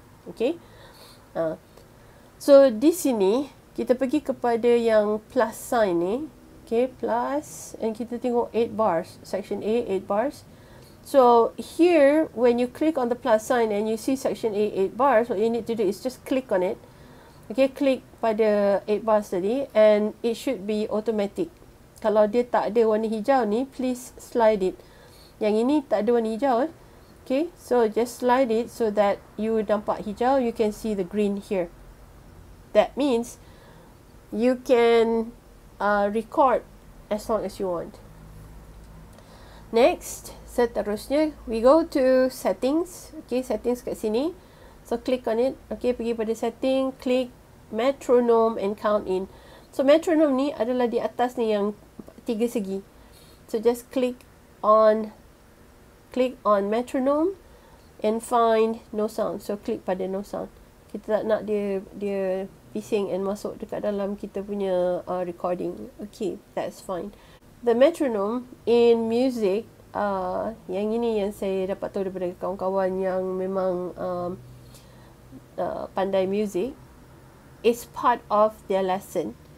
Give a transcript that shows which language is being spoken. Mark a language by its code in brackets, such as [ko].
[ms] Okay, so di sini kita pergi kepada yang plus sign ni. [en] Okay, plus, and [ms] kita tengok [en] 8 bars, section A, 8 bars. So, here, when you click on the plus sign and you see section A, 8 bars, what you need to do is just click on it. Okay, click pada 8 bars tadi, and it should be automatic. [ms] Kalau dia tak ada warna hijau ni, [en] please slide it. [ms] Yang ini tak ada warna hijau. [en] Okay, so just slide it so that you [ms] nampak hijau, [en] you can see the green here. That means, you can record as long as you want. Next, [ms] seterusnya, [en] we go to settings. Okay, settings [ms] kat sini. [en] So, click on it. Okay, [ms] pergi pada setting. [en] Click metronome and count in. [ms] So, metronome ni adalah di atas ni yang tiga segi. [en] So, just click on metronome and find no sound. [ms] So, click pada no sound. Kita tak nak dia bising and masuk dekat dalam kita punya recording. [en] Okay, that's fine. The metronome in music, [ms] yang ini yang saya dapat tahu daripada kawan-kawan yang memang pandai music, [en] is part of their lesson.